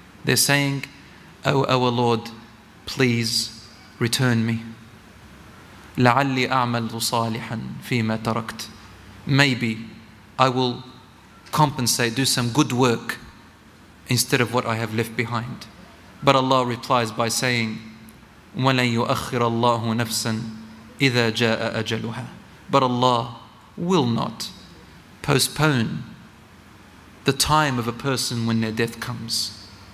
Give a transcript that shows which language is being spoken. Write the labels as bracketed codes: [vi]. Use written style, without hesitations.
[en] They're saying, oh, our Lord, please return me. [ar] لَعَلِّي أَعْمَلُ صَالِحًا فِي مَا تَرَكْتُ. [en] Maybe I will compensate, do some good work instead of what I have left behind. But Allah replies by saying, [ar] وَلَنْ يُؤَخِّرَ اللَّهُ نَفْسًا إِذَا جَاءَ أَجَلُهَا. [en] But Allah will not postpone the time of a person when their death comes.